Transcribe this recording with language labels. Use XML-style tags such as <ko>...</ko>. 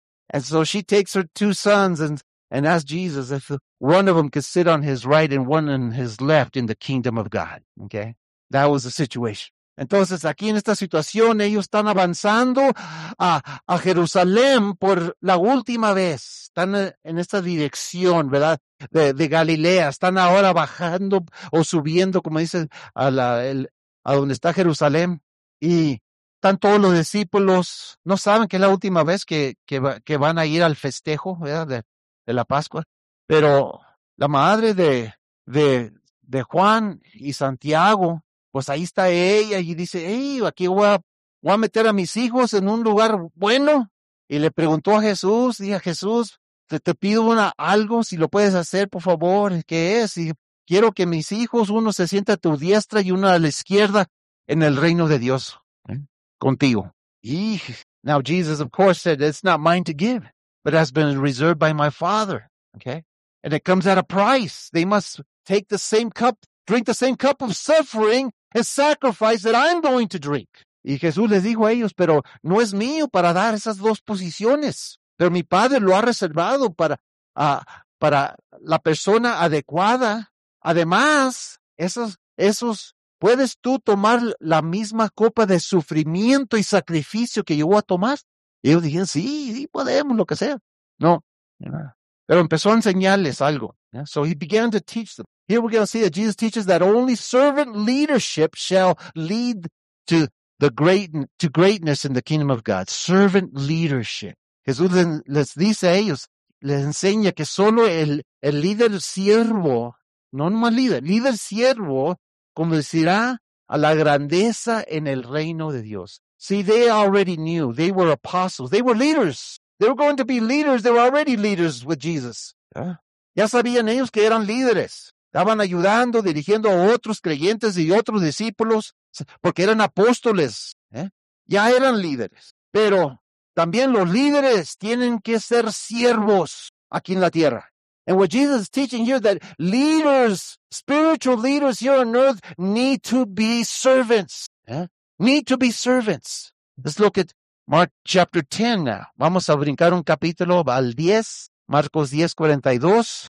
<en>And so she takes her two sons and asks Jesus if one of them could sit on his right and one on his left in the kingdom of God. Okay. That was the situation.</en> <es>Entonces, aquí en esta situación, ellos están avanzando a Jerusalén por la última vez. Están en esta dirección, ¿verdad? De Galilea. Están ahora bajando o subiendo, como dicen, a donde está Jerusalén. Y están todos los discípulos. No saben que es la última vez que van a ir al festejo, ¿verdad? De la Pascua. Pero la madre de Juan y Santiago, pues ahí está ella y dice, hey, aquí voy a meter a mis hijos en un lugar bueno. Y le preguntó a Jesús, dije, Jesús, te pido algo, si lo puedes hacer, por favor, ¿qué es? Y quiero que mis hijos, uno se sienta a tu diestra y uno a la izquierda en el reino de Dios, contigo.</es> <en>Y now Jesus, of course, said, it's not mine to give, but has been reserved by my Father. Okay. And it comes at a price. They must take the same cup. Drink the same cup of suffering and sacrifice that I'm going to drink.</en> <es>Y Jesús les dijo a ellos, pero no es mío para dar esas dos posiciones. Pero mi Padre lo ha reservado para la persona adecuada. Además, esos puedes tú tomar la misma copa de sufrimiento y sacrificio que yo voy a tomar. Y ellos dijeron, sí, sí podemos, lo que sea. No. Pero empezó a enseñarles algo. Yeah.</es> <en>So he began to teach them. Here we're going to see that Jesus teaches that only servant leadership shall lead to greatness in the kingdom of God. Servant leadership.</en> <es>Jesús les dice a ellos, les enseña que solo el líder siervo, no nomás líder siervo, conducirá a la grandeza en el reino de Dios.</es> <en>See, they already knew. They were apostles. They were leaders. They were going to be leaders. They were already leaders with Jesus.</en> <es>Ya sabían ellos que eran líderes. Estaban ayudando, dirigiendo a otros creyentes y otros discípulos, porque eran apóstoles. Ya eran líderes. Pero también los líderes tienen que ser siervos aquí en la tierra.</es> <en>And what Jesus is teaching here, that leaders, spiritual leaders here on earth, need to be servants. ¿Eh? Need to be servants. Let's look at Mark chapter 10 now.</en> <es>Vamos a brincar un capítulo al 10, Marcos 10, 42.</es>